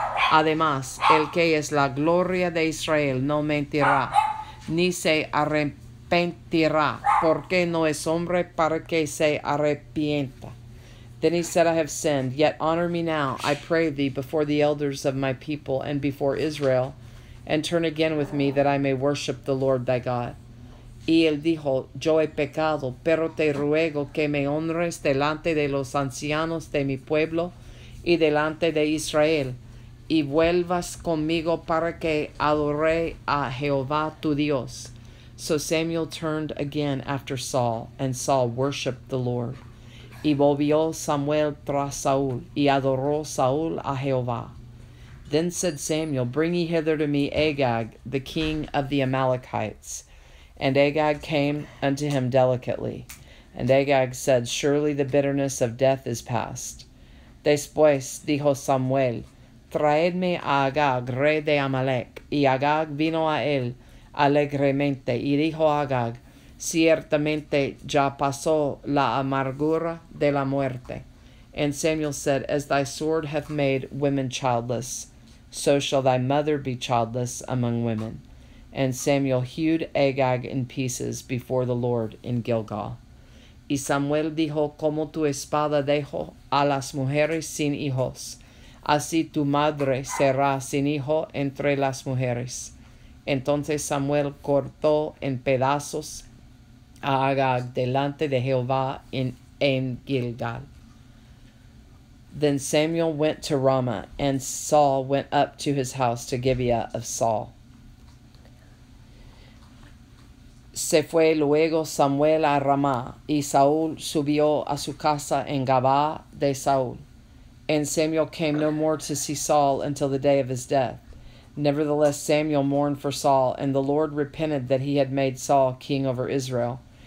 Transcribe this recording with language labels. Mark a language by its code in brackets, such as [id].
[es] Además, el que es la gloria de Israel no mentirá, ni se arrepentirá, porque no es hombre para que se arrepienta. [en] Then he said, I have sinned, yet honor me now, I pray thee, before the elders of my people and before Israel, and turn again with me, that I may worship the Lord thy God. [es] Y él dijo, yo he pecado, pero te ruego que me honres delante de los ancianos de mi pueblo y delante de Israel, y vuelvas conmigo para que adore a Jehová tu Dios. [en] So Samuel turned again after Saul, and Saul worshipped the Lord. [es] Y volvió Samuel tras Saúl, y adoró Saúl a Jehová. [en] Then said Samuel, bring ye hither to me Agag, the king of the Amalekites. And Agag came unto him delicately. And Agag said, surely the bitterness of death is past. [es] Después dijo Samuel, traedme a Agag, rey de Amalek. Y Agag vino a él alegremente, y dijo a Agag, ciertamente ya pasó la amargura de la muerte. [en] And Samuel said, as thy sword hath made women childless, so shall thy mother be childless among women. And Samuel hewed Agag in pieces before the Lord in Gilgal. [es] Y Samuel dijo, como tu espada dejó a las mujeres sin hijos, así tu madre será sin hijo entre las mujeres. Entonces Samuel cortó en pedazos a Agag delante de Jehová en Gilgal. [en] Then Samuel went to Ramah, and Saul went up to his house to Gibeah of Saul. [es] Se fue luego Samuel a Ramah, y Saúl subió a su casa en Gabá de Saúl. [en] And Samuel came no more to see Saul until the day of his death. Nevertheless, Samuel mourned for Saul, and the Lord repented that he had made Saul king over Israel.